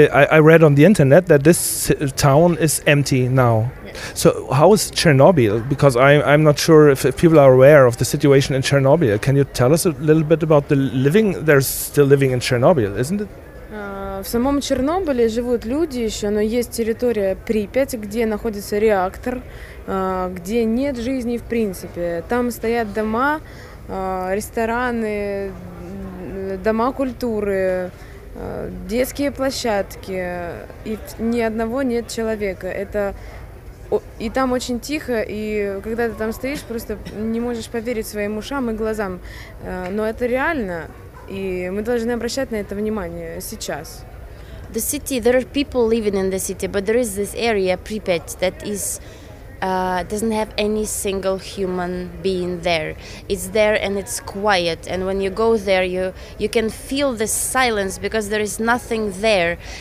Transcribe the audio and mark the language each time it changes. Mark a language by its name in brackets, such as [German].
[English] I read on the internet that this town is empty now. So how is Chernobyl? Because I'm not sure if people are aware of the situation in Chernobyl. Can you tell us a little bit about the living? There's still living in Chernobyl, isn't it? [Russian] В самом Чернобыле живут люди еще, но есть территория Припять, где находится реактор, где нет жизни в принципе. Там стоят дома, рестораны, дома культуры, детские площадки, и ни одного нет человека. Это... И там очень тихо, и когда ты там стоишь, просто не можешь поверить своим ушам и глазам. Но это реально, и мы должны обращать на это внимание сейчас. [English] The city, there are people living in the city, but there is this area, Pripyat, that is doesn't have any single human being there. It's there and it's quiet. And when you go there, you can feel the silence because there is nothing there.